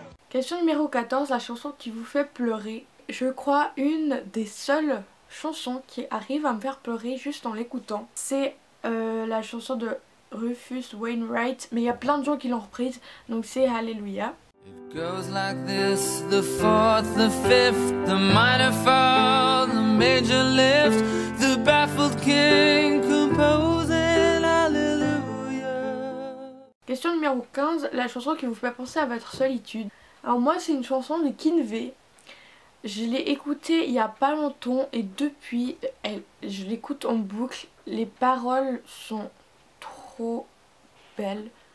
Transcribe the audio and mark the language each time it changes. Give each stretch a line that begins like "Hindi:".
French: Question numéro 14, la chanson qui vous fait pleurer. Je crois une des seules chanson qui arrive à me faire pleurer juste en l'écoutant, c'est la chanson de Rufus Wainwright, mais il y a plein de gens qui l'ont reprise, donc c'est Alléluia.
English: It goes like this, the fourth, the fifth, the minor fall, the major lift, the baffled king composing Alléluia.
French: Question numéro 15, la chanson qui vous fait penser à votre solitude. Alors moi c'est une chanson de Kinvey. Je l'ai écoutée il y a pas longtemps et depuis, je l'écoute en boucle. Les paroles sont trop belles.